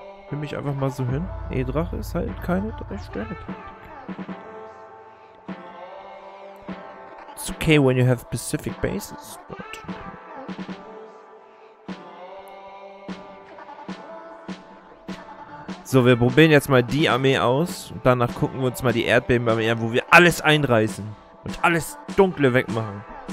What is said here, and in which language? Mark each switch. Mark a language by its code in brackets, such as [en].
[de] Nimm mich einfach mal so hin. E-Drache ist halt keine 3 Sterne. [en] It's okay when you have specific bases, but... [de] So, wir probieren jetzt mal die Armee aus. Und danach gucken wir uns mal die Erdbebenarmee an, wo wir alles einreißen. Und alles Dunkle wegmachen.